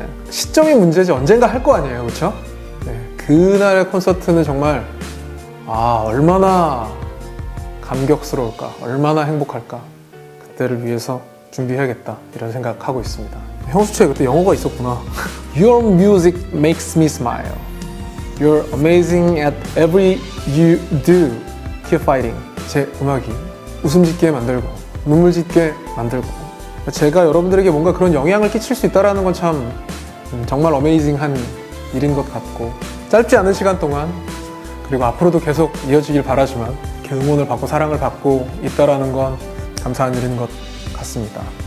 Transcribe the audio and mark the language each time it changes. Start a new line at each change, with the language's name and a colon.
Korean: 시점이 문제지 언젠가 할 거 아니에요, 그쵸? 그날의 콘서트는 정말 얼마나 감격스러울까, 얼마나 행복할까, 그때를 위해서 준비해야겠다 이런 생각하고 있습니다. 형수초에 그때 영어가 있었구나.
English: Your music makes me smile. You're amazing at every you do. Keep fighting.
Korean: 제 음악이 웃음 짓게 만들고 눈물 짓게 만들고 제가 여러분들에게 뭔가 그런 영향을 끼칠 수 있다는 건 참 정말 어메이징한 일인 것 같고 짧지 않은 시간 동안 그리고 앞으로도 계속 이어지길 바라지만 이렇게 응원을 받고 사랑을 받고 있다는 건 감사한 일인 것 같습니다.